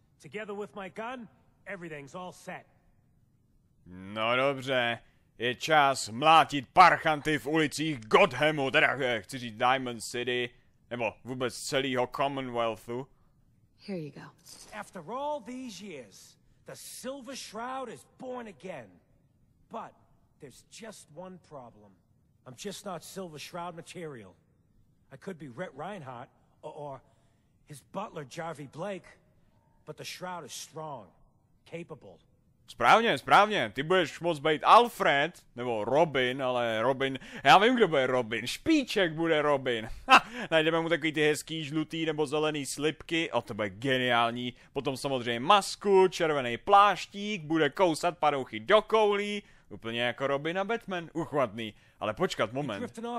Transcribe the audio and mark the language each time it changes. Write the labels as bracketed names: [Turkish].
[English] Together with my gun, everything's all set. [Czech] No dobře, je čas mlátit parchanty v ulicích Gothamu, teda chci říct Diamond City, nebo vůbec celého Commonwealthu. [English] Here you go. After all these years, the Silver Shroud is born again. But there's just one problem. I'm just not Silver Shroud material. I could be Rhett Reinhardt, or his butler Jarvie Blake, but the Shroud is strong, capable. [Czech] Správně, správně, ty budeš moct být Alfred, nebo Robin, ale Robin, já vím, kdo bude Robin, Špíček bude Robin. Ha, najdeme mu takový ty hezký žlutý nebo zelený slipky, o to bude geniální, potom samozřejmě masku, červený pláštík, bude kousat padouchy do koulí, úplně jako Robin a Batman, uchvatný, ale počkat moment.